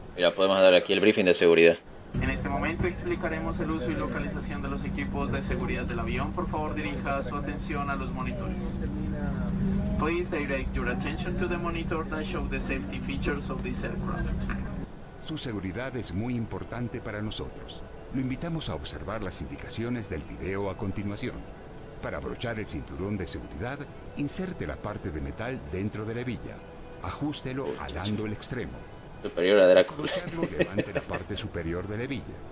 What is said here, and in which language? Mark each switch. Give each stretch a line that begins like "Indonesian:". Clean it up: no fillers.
Spanish: Mira, podemos dar aquí el briefing de seguridad. En este momento explicaremos el uso y localización de los equipos de seguridad del avión. Por favor, dirija su atención a los monitores.
English: Please direct your attention to the monitor that show the safety features of this aircraft.
Spanish: Su seguridad es muy importante para nosotros. Lo invitamos a observar las indicaciones del video a continuación. Para abrochar el cinturón de seguridad, inserte la parte de metal dentro de la hebilla. Ajústelo alando el extremo. Superior a Drácula. Para abrocharlo, levante la parte superior de la hebilla.